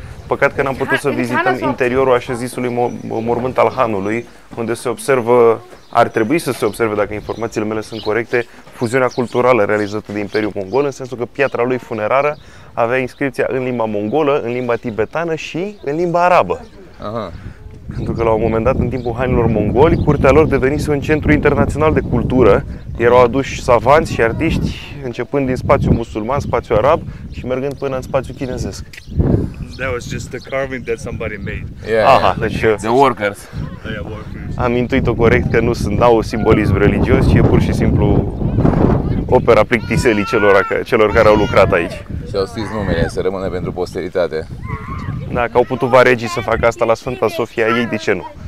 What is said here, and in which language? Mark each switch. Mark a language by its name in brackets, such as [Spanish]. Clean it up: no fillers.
[Romanian] Păcat că n-am putut să vizităm interiorul așezisului mormânt al Hanului, unde se observă, ar trebui să se observe, dacă informațiile mele sunt corecte, fuziunea culturală realizată de Imperiul Mongol, în sensul că piatra lui funerară avea inscripția în limba mongolă, în limba tibetană și în limba arabă. Aha. Pentru că la un moment dat, în timpul hanilor mongoli, curtea lor devenise un centru internațional de cultură. Erau aduși savanți și artiști, începând din spațiul musulman, spațiul arab și mergând până în spațiul chinezesc. [English] That was just the carving that somebody made. Yeah. [Romanian] Aha, deci, [English] the workers. [Romanian] Am intuit-o corect că nu sunt, n-au simbolism religios, ci e pur și simplu opera plictiselii celor care au lucrat aici. Și au scris numele, să rămână pentru posteritate. Dacă au putut varegii să facă asta la Sfânta Sofia, ei de ce nu?